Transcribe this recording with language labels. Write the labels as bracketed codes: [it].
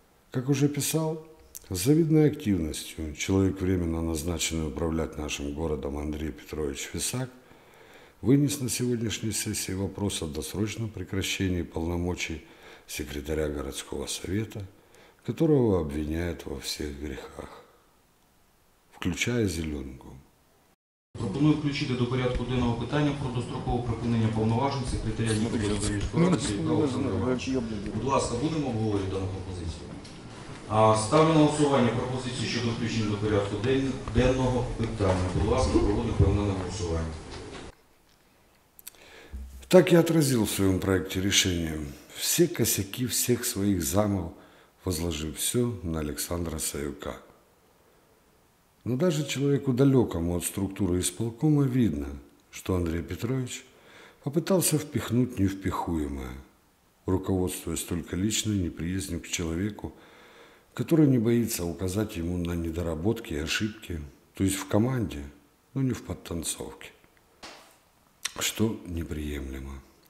[ru] Как уже писал, с завидной активностью человек, временно назначенный управлять нашим городом, Андрей Петрович Фисак, вынес на сегодняшней сессии вопрос о досрочном прекращении полномочий секретаря городского совета, которого обвиняют во всех грехах, включая зеленку. [uk] Пропоную включити до порядку денного питання про дострокове припинення повноважень секретаря Нікопольської міської ради. Будь ласка, будемо обговорювати дану пропозицію. Ставлю на голосування пропозицію щодо включення до порядку денного питання. Будь ласка, проводимо повне голосування. [ru] Так я отразил в своем проекте решения. Все косяки всех своих замов возложив все на Александра Саюка. Но даже человеку, далекому от структуры исполкома, видно, что Андрей Петрович попытался впихнуть невпихуемое, руководствуясь только личной неприязнью к человеку, который не боится указать ему на недоработки и ошибки, то есть в команде, но не в подтанцовке, что неприемлемо.